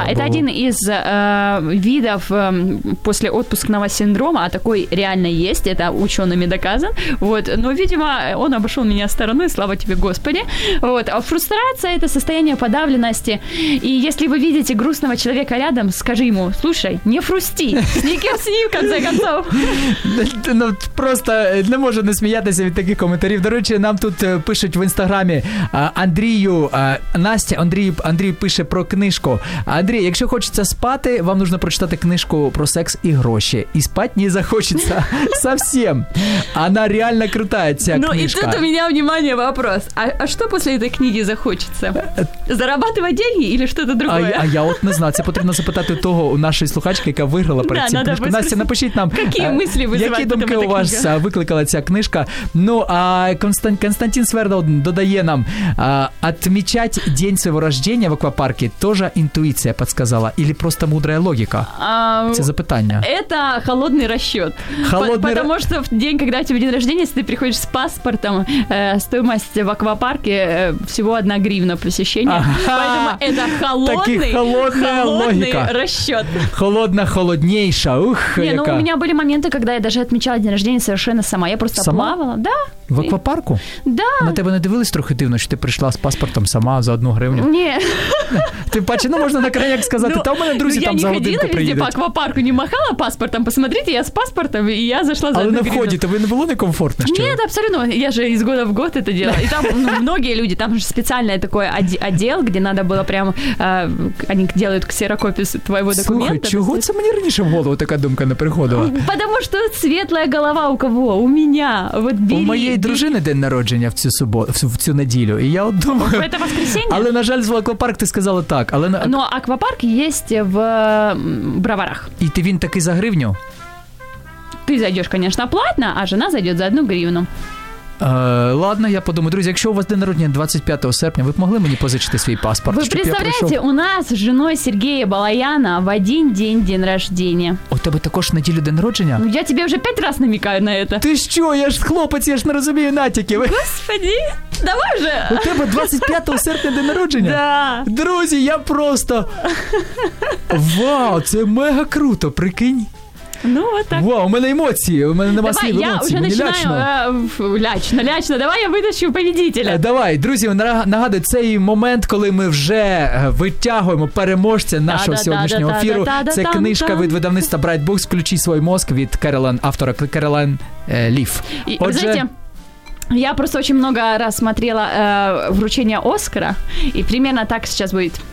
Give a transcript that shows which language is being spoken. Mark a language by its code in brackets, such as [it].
[ru] Да, это один из видов послеотпускного синдрома, а такой реально есть, это учеными доказан. Вот. Но, видимо, он обошел меня стороной, слава тебе, Господи. Вот. А фрустрация – это состояние подавленности. И если вы видите грустного человека рядом, скажи ему: слушай, не фрусти, сникер с ним, в конце концов. [uk] Ну, просто не можу не сміятися від таких коментарів. До речі, нам тут пишуть в інстаграмі Андрію, Настя, Андрій пише про книжку. Андрій, якщо хочеться спати, вам нужно прочитати книжку про секс і гроші. І спати не захочеться совсем. Вона реально крута, ця книжка. Ну, і тут у мене, [ru] внимание, вопрос. [uk] А що після цієї книги захочеться? [ru] Зарабатывать деньги или что-то другое? А я вот не знаю. [uk] Це потрібно запитати у того, у нашої слухачки, яка виграла перед цим книжку. Настя, напишіть нам, [ru] какие мысли вызывают, [uk] які думки у вас викликала ця книжка. [ru] Ну, а Константин Свердл [uk] додає нам: [ru] отмечать день своего рождения в аквапарке тоже интуиция подсказала или просто мудрая логика? [uk] Це запитання. [ru] Это холодный расчет. Холодный потому что в день, когда у тебя день рождения, если ты приходишь с паспортом, стоимость в аквапарке всего 1 гривна. На посещение. Ага. Поэтому это холодный расчет. Холодно-холоднейша. Ух, не, [uk] яка. [ru] Ну у меня были моменты, когда я даже отмечала день рождения совершенно сама. Я просто сама? Плавала. Да. [uk] В аквапарку? [ru] Да. [uk] На тебе не дивились трохи дивно, що ти прийшла з паспортом сама за 1 гривню? Ні. Ти паче, ну можна на краях сказати, та у мене друзі там за годинку приїдуть. [ru] Я не ходила везде по аквапарку, не махала паспортом. Посмотрите, [uk] я з паспортом, і я зайшла за 1 гривню. Але на вході тобі не було некомфортно? Ні, абсолютно. [ru] Я же із года в год это делала. [uk] І там [ru] многие люди, там же спеціально такой отдел, где надо было прям, они делают ксерокопию твоего документа. Слушай, чего это мне раньше в голову такая думка не приходила? Потому что светлая голова у кого? У меня. Вот бери, у моей дружины день рождения [uk] в цю суботу, в цю [ru] неделю. И я вот думаю... Это воскресенье? [uk] Але, на жаль, в аквапарк [ru] ты сказала так. [uk] Але на... [ru] Но аквапарк есть в Броварах. [uk] И ты він таки за гривню? [ru] Ты зайдешь, конечно, платно, а жена зайдет за 1 гривну. Ладно, я подумаю. [uk] Друзі, якщо у вас день народження 25 серпня, ви б могли мені позичити свій паспорт? Ви представляєте, у нас з женою Сергія Балаяна в один день народження. У тебе також неділю день народження? Ну, я тебе вже 5 раз намікаю на це. Ти що? Я ж хлопець, я ж не розумію натяків. Господи, давай вже. У тебе 25 серпня день народження? Да. Друзі, я просто... Вау, це мега круто, прикинь. [ru] Ну, вот так. [uk] Вау, у мене емоції, у мене нема слів емоцій, мені лячно. Давай, я вже починаю, лячно, давай я [ru] витащу победителя. [uk] Давай, друзі, нагадую, цей момент, коли ми вже витягуємо переможця нашого сьогоднішнього ефіру. Це книжка від видавництва Bright Books «Включи свій мозк» від Кэролайн, автора Кэролайн Ліф. Отже... [ru] Я просто очень много раз смотрела вручение Оскара, и примерно так сейчас будет.